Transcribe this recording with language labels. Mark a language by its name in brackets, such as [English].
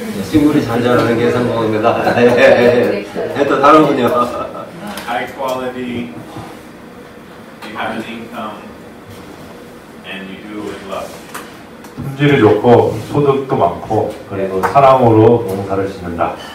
[Korean] 식물이 잘 자라는 게 성공입니다. 또 다른 분이요. [English] High quality, you have an income, and you do with love. [Korean] 품질이 좋고, 소득도 많고, 그리고 네. 사랑으로 농사를 짓는다.